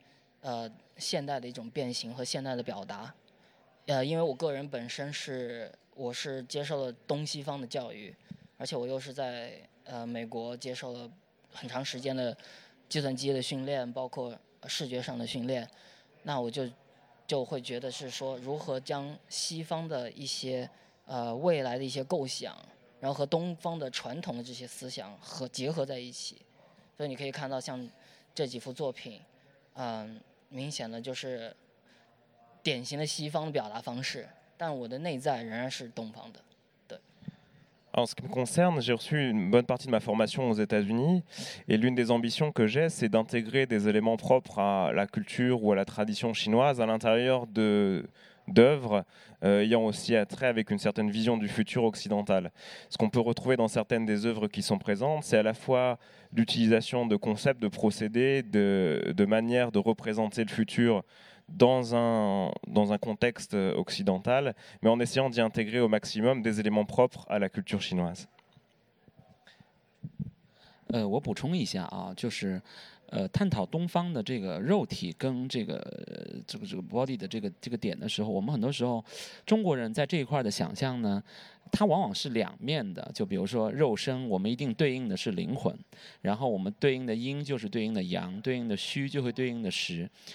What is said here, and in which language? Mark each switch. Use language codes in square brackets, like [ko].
[zh] 其实我的作品中间很多的东西，会呈现出来，所以你可以看到我的很多作品中间，实际上是根据古代的中国古代一些文献，包括中国古代一些想象，然后加以现代的一种变形和现代的表达。因为我个人本身是我是接受了东西方的教育，而且我又是在美国接受了很长时间的计算机的训练，包括视觉上的训练，那我就会觉得是说如何将西方的一些未来的一些构想然后和东方的传统的这些思想和结合在一起。所以你可以看到像这几幅作品，明显的就是典型的西方的表达方式，但我的内在仍然是东方的。 [fr] En ce qui me concerne, j'ai reçu une bonne partie de ma formation aux États-Unis et l'une des ambitions que j'ai, c'est d'intégrer des éléments propres à la culture ou à la tradition chinoise à l'intérieur de, d'œuvres ayant aussi attrait avec une certaine vision du futur occidental. Ce qu'on peut retrouver dans certaines des œuvres qui sont présentes, c'est à la fois l'utilisation de concepts, de procédés, de manières de représenter le futur dans un contexte occidental, mais en essayant d'y intégrer au maximum des éléments propres à la culture chinoise. [zh] 我补充一下啊，就是，探讨东方的这个肉体跟这个 body 的这个点的时候，我们很多时候中国人在这一块的想象呢，它往往是两面的。就比如说肉身，我们一定对应的是灵魂，然后我们对应的阴就是对应的阳，对应的虚就会对应的实。